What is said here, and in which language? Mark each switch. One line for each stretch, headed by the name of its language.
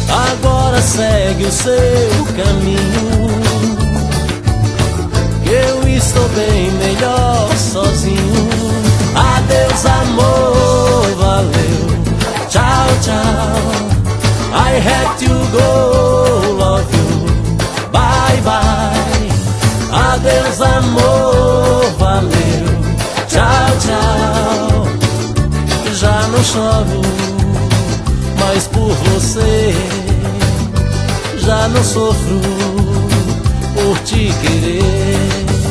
Portuguese: Agora segue o seu caminho, eu estou bem melhor sozinho. Adeus amor, valeu, tchau tchau,
English: I had to go, love you, bye bye.
Portuguese: Adeus amor, valeu, tchau tchau, já não choro mais por você, já não sofro por te querer.